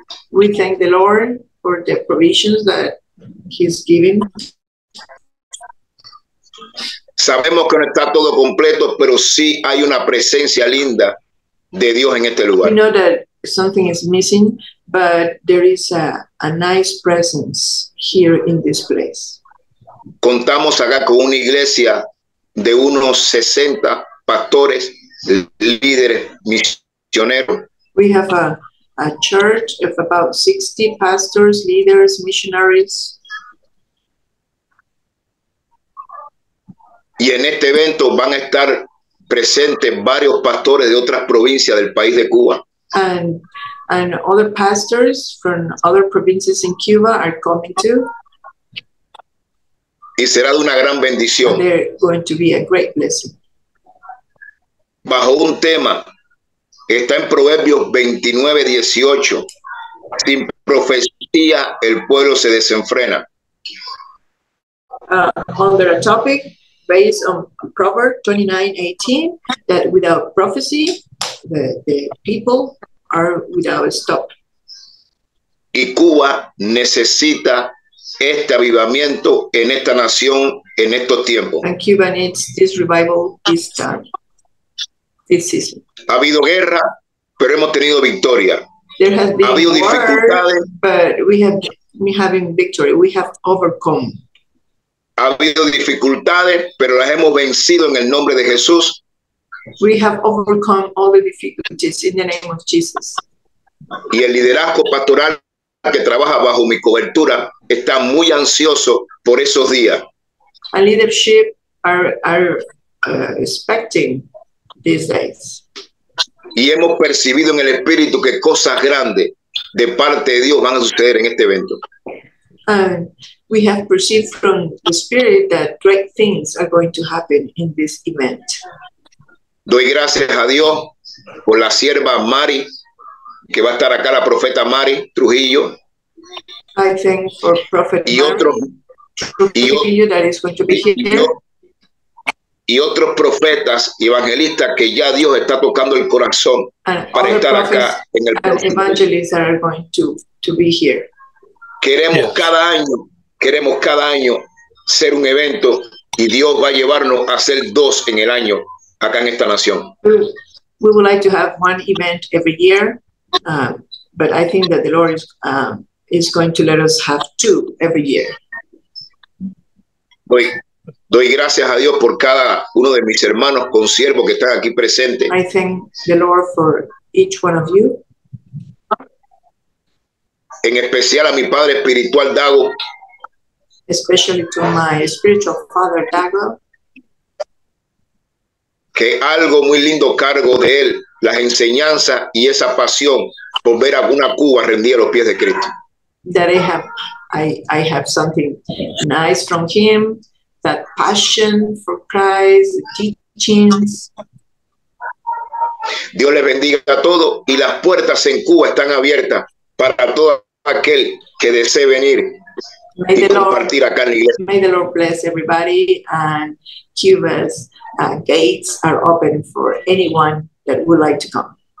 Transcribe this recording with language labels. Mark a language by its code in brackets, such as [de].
[en] We thank the Lord for the provisions that He's giving. [es] Sabemos que no está todo completo, pero sí hay una presencia linda de Dios en este lugar. [en] We know that something is missing, but there is a nice presence here in this place. [es] Contamos acá con una iglesia de unos 60 pastores, líderes, misioneros. [en] We have a church of about 60 pastors, leaders, missionaries. [es] Y en este evento van a estar presentes varios pastores de otras provincias del país de Cuba. [en] And other pastors from other provinces in Cuba are coming too. [es] Y será de una gran bendición. [en] And they're going to be a great blessing. [es] Bajo un tema que está en Proverbios 29:18. Sin profecía el pueblo se desenfrena. [en] Under a topic based on Proverbs 29:18, that without prophecy, the people are without a stop. [es] Y Cuba necesita este avivamiento en esta nación en estos tiempos. [en] And Cuba needs this revival this time. This season. [es] Ha habido guerra, pero hemos tenido victoria. [en] There has been war, but we have victory. We have overcome. [es] Ha habido dificultades, pero las hemos vencido en el nombre de Jesús. [en] We have overcome all the difficulties in the name of Jesus. [es] Y el liderazgo pastoral que trabaja bajo mi cobertura está muy ansioso por esos días. [en] A leadership are expecting these days. [es] Y hemos percibido en el espíritu que cosas grandes de parte de Dios van a suceder en este evento. [en] We have perceived from the Spirit that great things are going to happen in this event. [es] Doy gracias a Dios por la sierva Mari, que va a estar acá, la profeta Mari Trujillo. [en] I thank for Prophet [es] y otro, [en] Mari Trujillo that is going to be here. [es] Y otros profetas y evangelistas que ya Dios está tocando el corazón [en] and [es] para estar acá en el próximo. [en] Evangelists are going to be here. [es] Queremos cada año ser un evento y Dios va a llevarnos a hacer dos en el año acá en esta nación. [en] We would like to have one event every year, but I think that the Lord is going to let us have two every year. [es] Doy gracias a Dios por cada uno de mis hermanos consiervos que están aquí presentes. [en] I thank the Lord for each one of you. [es] en especial a mi padre espiritual Dago. [en] Especially to my spiritual father Dago. [es] Que algo muy lindo cargo de él, las enseñanzas y esa pasión por ver a una Cuba rendida a los pies de Cristo. [en] That I have something nice from him, that passion for Christ, teachings. [es] Dios les bendiga a todos y las puertas en Cuba están abiertas para todo aquel que desee venir [en] may [es] y compartir [en] Lord, [es] acá en la iglesia. [en] May the Lord bless everybody and Cuba's gates are open for anyone that would like to come.